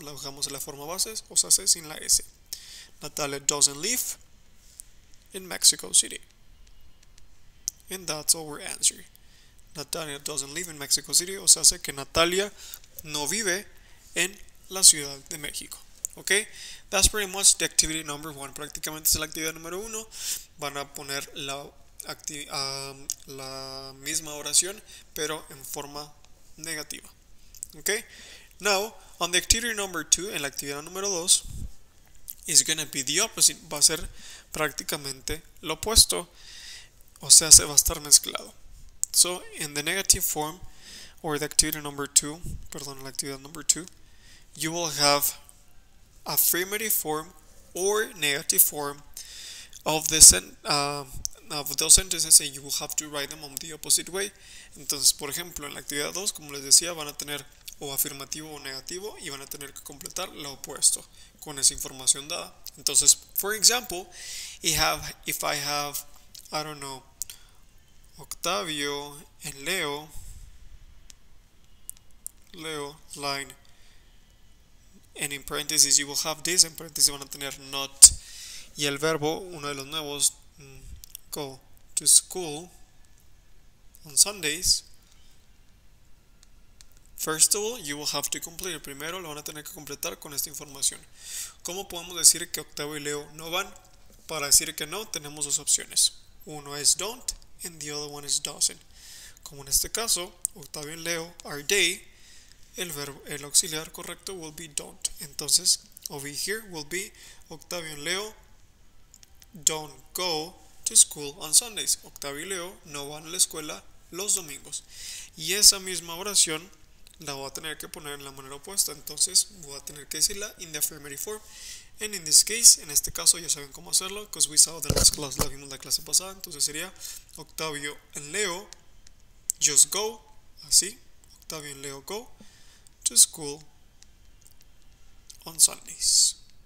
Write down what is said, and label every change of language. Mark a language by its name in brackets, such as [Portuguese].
[Spanish] La dejamos en la forma base, o se hace sin la S. [English] Natalia doesn't live in Mexico City. And that's our answer. Natalia doesn't live in Mexico City. [Spanish] O se hace que Natalia no vive en la Ciudad de México. [English] Okay, that's pretty much the activity number one. [Spanish] Prácticamente es la actividad número uno. Van a poner la misma oración, pero en forma negativa. [English] Okay, now on the activity number two, [Spanish] en la actividad número dos, [English] is going to be the opposite. [Spanish] Va a ser prácticamente lo opuesto. O sea, se va a estar mezclado. [English] So, in the negative form, or the activity number two, [Spanish] perdón, la actividad [English] number two, you will have affirmative form or negative form of the of those sentences, and you will have to write them on the opposite way. [Spanish] Entonces, por ejemplo, en la actividad 2, como les decía, van a tener o afirmativo o negativo, y van a tener que completar lo opuesto con esa información dada. Entonces, [English] for example, if I have, I don't know, Octavio and Leo line, and in parentheses you will have this, [Spanish] en parentheses van a tener not, y el verbo, uno de los nuevos, [English] go to school on Sundays. First of all, you will have to complete. [Spanish] Primero lo van a tener que completar con esta información. ¿Cómo podemos decir que Octavio y Leo no van? Para decir que no, tenemos dos opciones. Uno es [English] don't, and the other one is doesn't. [Spanish] Como en este caso, [English] Octavio y Leo are they, [Spanish] el auxiliar correcto [English] will be don't. [Spanish] Entonces, [English] over here will be Octavio and Leo don't go to school on Sundays. [Spanish] Octavio y Leo no van a la escuela los domingos. Y esa misma oración la voy a tener que poner en la manera opuesta. Entonces, voy a tener que decirla [English] in the affirmative form. And in this case, [Spanish] en este caso, ya saben cómo hacerlo, [English] because we saw the last class, [Spanish] la vimos la clase pasada. Entonces, sería [English] Octavio and Leo just go, [Spanish] así, [English] Octavio and Leo go to school on Sundays.